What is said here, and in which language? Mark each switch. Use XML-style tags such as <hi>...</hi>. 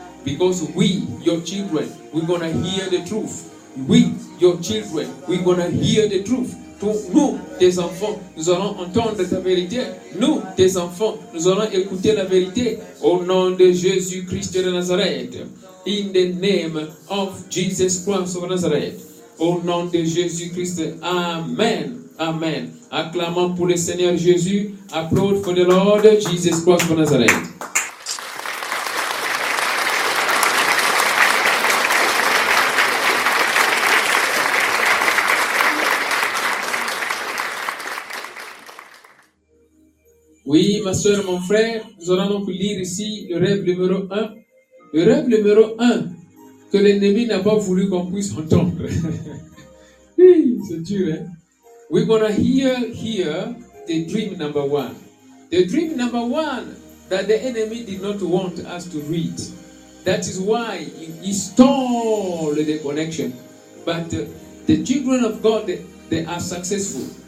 <en>Because we, your children, we're going to hear the truth. We, your children, we're going to hear the truth.</en> <fr>Pour nous, tes enfants, nous allons entendre ta vérité. Nous, tes enfants, nous allons écouter la vérité. Au nom de Jésus-Christ de Nazareth.</fr> <en>In the name of Jesus Christ of Nazareth.</en> <fr>Au nom de Jésus-Christ, Amen, Amen. Acclamons pour le Seigneur Jésus.</fr> <en>Applaud for the Lord Jesus Christ of Nazareth.</en> <fr>Oui, ma soeur, mon frère, nous allons donc lire ici le rêve numéro 1. Le rêve numéro un que l'ennemi n'a pas voulu qu'on puisse entendre. Oui, c'est dur, hein?</fr> <en>We're gonna hear here the dream number one. The dream number one that the enemy did not want us to read. That is why he stole the connection. But the children of God, they are successful.</en>